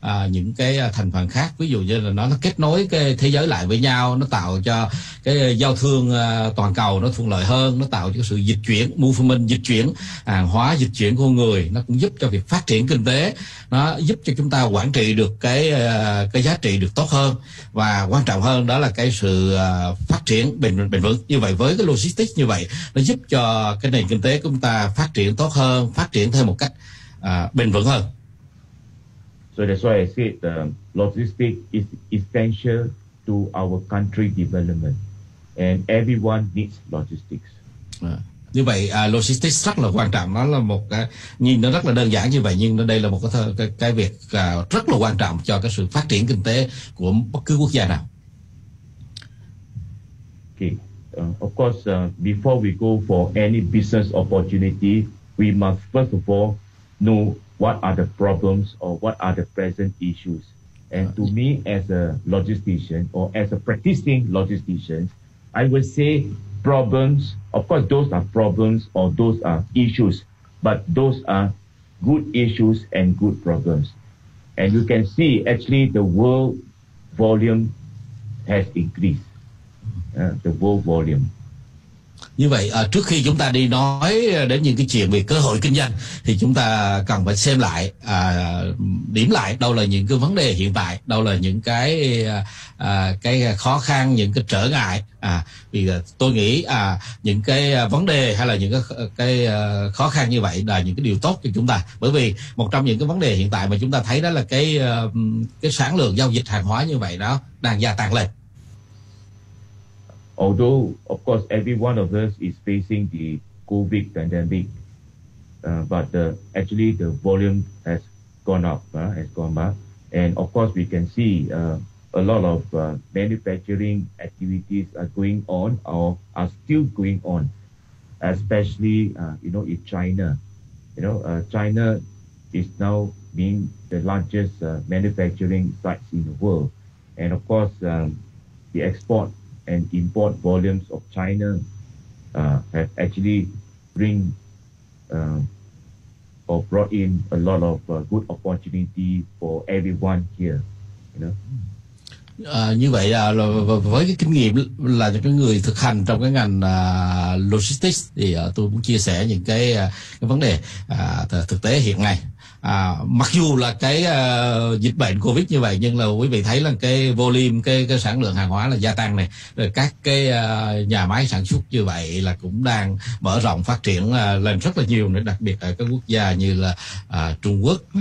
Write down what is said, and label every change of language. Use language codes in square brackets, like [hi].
[vi] những cái thành phần khác, ví dụ như là nó kết nối cái thế giới lại với nhau, nó tạo cho cái giao thương toàn cầu nó thuận lợi hơn, nó tạo cho sự dịch chuyển, movement, dịch chuyển hàng hóa, dịch chuyển con người, nó cũng giúp cho việc phát triển kinh tế, nó giúp cho chúng ta quản trị được cái giá trị được tốt hơn, và quan trọng hơn đó là cái sự phát triển bền vững. Như vậy với cái logistics như vậy, nó giúp cho cái nền kinh tế của chúng ta phát triển tốt hơn, phát triển theo một cách bền vững hơn. [en] So that's why I said the logistics is essential to our country development, and everyone needs logistics. [vi] Như vậy logistics rất là quan trọng, nó là một cái nhìn nó rất là đơn giản như vậy, nhưng nó đây là một cái việc rất là quan trọng cho cái sự phát triển kinh tế của bất cứ quốc gia nào. [en] Okay. Of course, before we go for any business opportunity, we must first of all know what are the problems or what are the present issues. And to me, as a logistician or as a practicing logistician, I would say problems, of course, those are problems or those are issues, but those are good issues and good problems. And you can see, actually, the world volume has increased. The world volume. [vi] Như vậy, trước khi chúng ta đi nói đến những cái chuyện về cơ hội kinh doanh thì chúng ta cần phải xem lại, điểm lại đâu là những cái vấn đề hiện tại, đâu là những cái khó khăn, những cái trở ngại. Vì tôi nghĩ những cái vấn đề hay là những cái khó khăn như vậy là những cái điều tốt cho chúng ta. Bởi vì một trong những cái vấn đề hiện tại mà chúng ta thấy đó là cái sản lượng giao dịch hàng hóa như vậy đó đang gia tăng lên. [en] Although, of course, every one of us is facing the COVID pandemic, but actually the volume has gone up, and of course we can see a lot of manufacturing activities are going on or are still going on, especially, you know, in China. You know, China is now being the largest manufacturing sites in the world, and of course the export and import volumes of China have actually bring or brought in a lot of good opportunity for everyone here, you know. [vi] Như vậy là với cái kinh nghiệm là những cái người thực hành trong cái ngành logistics thì tôi muốn chia sẻ những cái vấn đề thực tế hiện nay. Mặc dù là cái dịch bệnh COVID như vậy nhưng là quý vị thấy là cái volume, cái sản lượng hàng hóa là gia tăng này, rồi các cái nhà máy sản xuất như vậy là cũng đang mở rộng phát triển lên rất là nhiều nữa, đặc biệt ở các quốc gia như là Trung Quốc.